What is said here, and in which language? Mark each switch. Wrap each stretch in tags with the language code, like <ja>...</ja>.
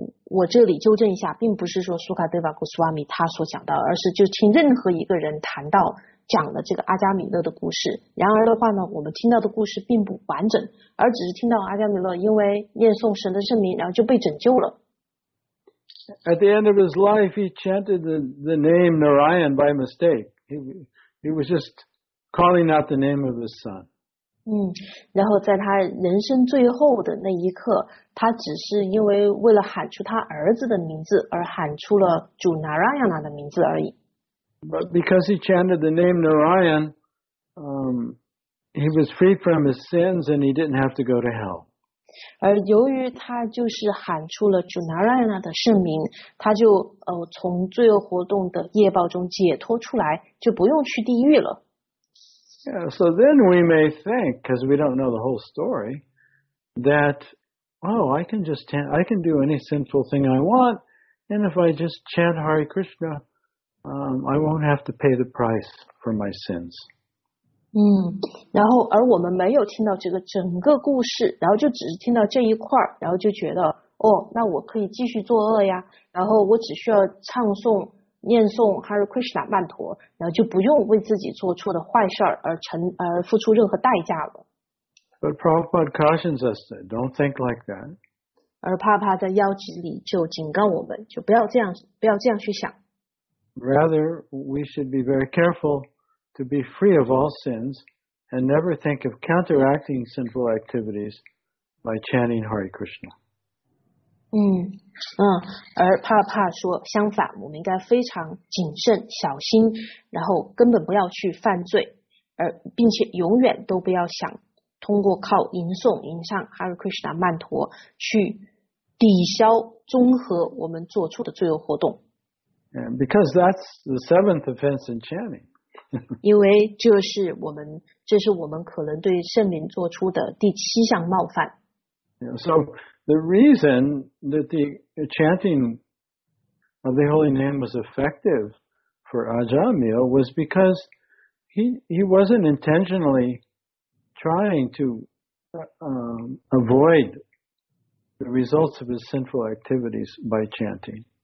<zh>我这里纠正一下，并不是说苏卡德瓦古苏瓦米他所讲到，而是就听任何一个人谈到讲了这个阿加米勒的故事。然而的话呢，我们听到的故事并不完整，而只是听到阿加米勒因为念诵神的圣名，然后就被拯救了。</zh> <en>At the end of his life, he chanted the name Narayan by mistake. He was just calling out the name of his son.</en> <zh>然后在他人生最后的那一刻，他只是因为为了喊出他儿子的名字而喊出了主 Narayana 的名字而已。</zh> <en>But because he chanted the name Narayan, he was freed from his sins and he didn't have to go to hell.</en> <zh>而由于他就是喊出了主 Narayana 的圣名，他就从罪恶活动的业报中解脱出来，就不用去地狱了。</zh> <en>Yeah, so then we may think, because we don't know the whole story, that, oh, I can do any sinful thing I want, and if I just chant Hare Krishna, I won't have to pay the price for my sins.</en> <zh>然后而我们没有听到这个整个故事，然后就只是听到这一块，然后就觉得哦，那我可以继续作恶呀，然后我只需要唱诵念诵 Hare Krishna 曼陀，然后就不用为自己做错的坏事而付出任何代价了。</zh> <en>But Prabhupada cautions us that don't think like that.</en> <zh>而帕帕在邀集里就警告我们，就不要这样，不要这样去想。</zh> <en>Rather, we should be very careful to be free of all sins and never think of counteracting sinful activities by chanting Hare Krishna.</en> <zh>而帕帕说，相反，我们应该非常谨慎、小心，然后根本不要去犯罪，而并且永远都不要想。通过靠吟诵吟唱 Hare Krishna 曼陀去抵消综合我们做出的罪恶活动。</zh> <en>And because that's the seventh offense in chanting.</en> <zh>因为这是我们可能对圣灵做出的第七项冒犯。</zh> <en>Yeah, so the reason that the chanting of the holy name was effective for Ajamil was because he wasn't intentionallytrying to avoid the results of his sinful activities by chanting.</en>